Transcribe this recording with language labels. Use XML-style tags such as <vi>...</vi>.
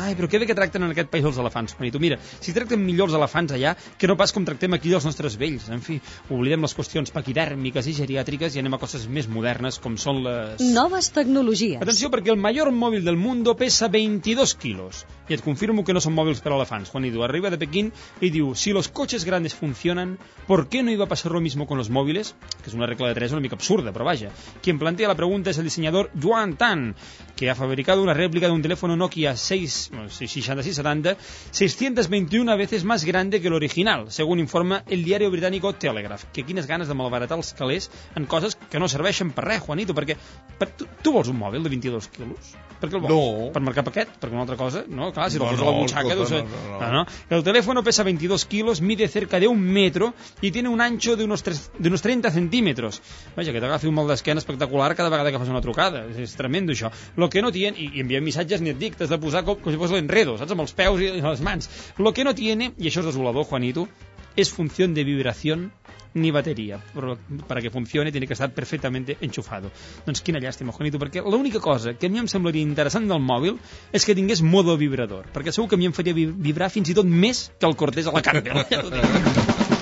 <ca>Ai, però què bé que tracten en aquest país els elefants, Juanito. Mira, si tracten millor els elefants allà, que no pas com tractem aquí els nostres vells. En fi, oblidem les qüestions paquidèrmiques i geriàtriques i anem a coses més modernes, com són les... noves tecnologies. Atenció, perquè el major mòbil</ca> <es>del mundo</es> <ca>pesa 22 quilos. I et confirmo que no són mòbils per elefants, Juanito.</ca> <es>Arriba de Pequín y diu, si los coches grandes funcionan, ¿por qué no iba a pasar lo mismo con los móviles? Que es una regla de tres</es> <ca>una mica</ca> <es>absurda, pero vaya. Quien plantea la pregunta es el diseñador Yuan Tan, que ha fabricado una réplica de un teléfono Nokia 6670, 621 veces más grande que el original, según informa el diario británico Telegraph.</es> <ca>Que quines ganes de malbaratar els calés en coses que no serveixen per res, Juanito, perquè tu vols un mòbil de 22 quilos? Per què el vols? No. Per marcar paquet? Per una altra cosa? No, clar, si no, el poses a la butxaca... No.</ca> <es>El teléfono pesa 22 kilos, mide cerca de un metro y tiene un ancho de unos 30 centímetros.</es> <ca>Vaja, que t'agafi un mal d'esquena espectacular cada vegada que fas una trucada. És tremendo, això.</ca> <es>Lo que no tiene...</es> <ca>I envia missatges, ni et dic, t'has de posar com si fos l'enredo, saps? Amb els peus i les mans.</ca> <es>Lo que no tiene,</es> <ca>i això és desolador,</ca> <es>Juanito, es función de vibración ni bateria. Para que funcione tiene que estar perfectamente enchufado.</es> <ca>Doncs quina llàstima, Juanito, perquè l'única cosa que a mi em semblaria interessant del mòbil és que tingués modo vibrador, perquè segur que a mi em faria vibrar fins i tot més que el Cortés a la Campbell.</ca>